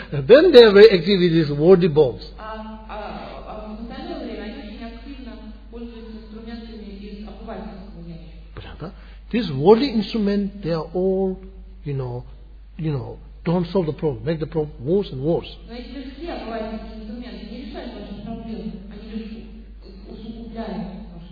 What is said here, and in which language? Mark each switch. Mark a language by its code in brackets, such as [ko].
[en] Then they are very active with these worldly balls. [ru] А в остальное время они очень активно пользуются инструментами из обывательского ящика. [en] These worldly instruments, they are all, you know, don't solve the problem, make the problem worse and worse. [ru] Но если все обывательские инструменты не решают ваши проблемы, они лишь усугубляют.